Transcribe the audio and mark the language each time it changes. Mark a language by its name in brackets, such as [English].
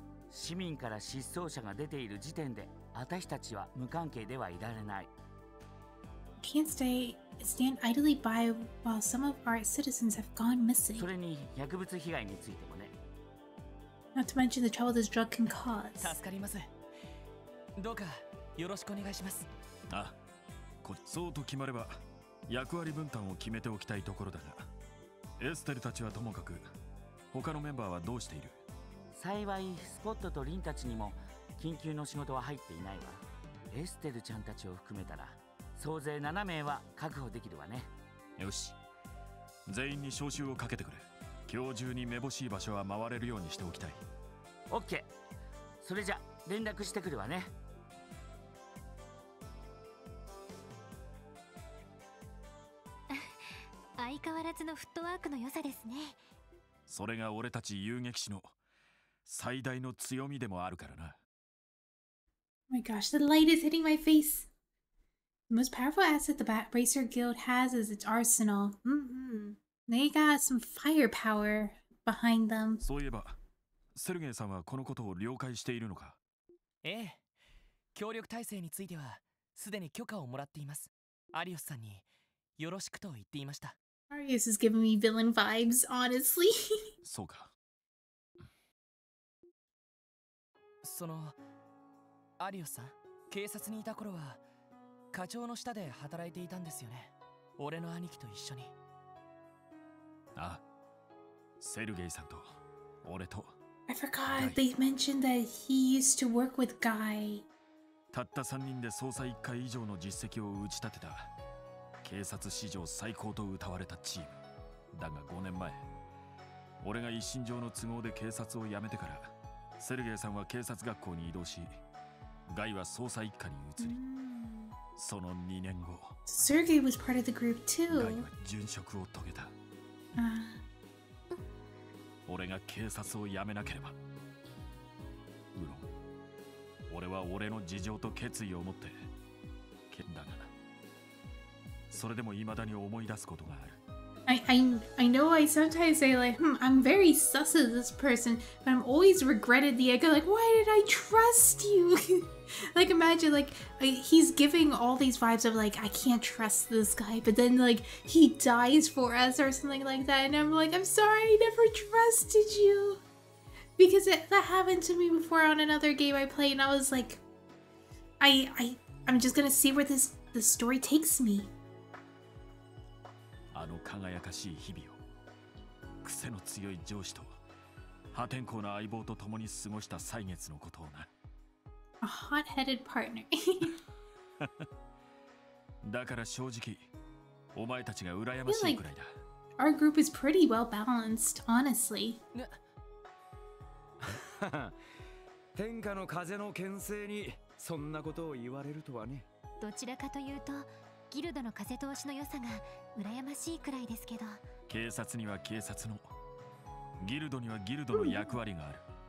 [Japanese] 市民から失踪者が出ている時点で、私たちは無関係ではいられない。 [English] Can't stand idly by while some of our citizens have gone missing. [Japanese] それに薬物被害についてもね。 [English] Not to mention the trouble this drug can cause. [Japanese] 助かります。どうかよろしくお願いします。あ、こっちそうと決まれば役割分担を決めておきたいところだが、エステルたちはともかく、他のメンバーはどうしている？幸いスコットとリンたちにも緊急の仕事は入っていないわ。エステルちゃんたちを含めたら総勢7名は確保できるわね。よし、全員に招集をかけてくれ。今日中に目星い場所は回れるようにしておきたい。オッケー。それじゃ連絡してくるわね。相変わらずのフットワークの良さですね。それが俺たち遊撃士の最大の強みでもあるからな。 [English] Oh my gosh, the light is hitting my face. The most powerful asset the Bracer Guild has is its arsenal. They got some firepower behind them. [Japanese] そういえば、セルゲイさんはこのことを了解しているのか？ええ、協力体制についてはすでに許可をもらっています。アリオスさんによろしくと言っていました。 [English] アリオス is giving me villain vibes, honestly. [Japanese] そうか。その、アリオスさん、警察にいた頃は課長の下で働いていたんですよね。俺の兄貴と一緒に。あ、セルゲイさんと俺と。 [English] I forgot they mentioned that he used to work with Guy. [Japanese] たった3人で捜査1回以上の実績を打ち立てた。警察史上最高と謳われたチームだが、5年前俺が一身上の都合で警察を辞めてから、セルゲイさんは警察学校に移動し、ガイは捜査一課に移り、その2年後、 [English] セルゲイ was part of the group too。 [Japanese] ガイは殉職を遂げた。俺が警察を辞めなければ、無論俺は俺の事情と決意を持って、だがそれでも未だに思い出すことがある。 [English] I know I sometimes say like, I'm very sus of this person, but I'm always regretted the echo, like, why did I trust you? Like, imagine, like, he's giving all these vibes of like, I can't trust this guy, but then like, he dies for us or something like that, and I'm like, I'm sorry, I never trusted you. Because that happened to me before on another game I played, and I was like, I'm just gonna see where this story takes me. [Japanese] あの輝かしい日々を、癖の強い上司と破天荒な相棒と共に過ごした歳月のことをな。 [English] A hot-headed partner. [Japanese] だから正直、お前たちが羨ましいくらいだ。 [English] Like、our group is pretty well balanced, honestly. [Japanese] 天下の風の牽制にそんなことを言われるとはね。どちらかというと、ギルドの風通しの良さが羨ましいくらいですけど、警察には警察の、ギルドにはギルドの役割がある。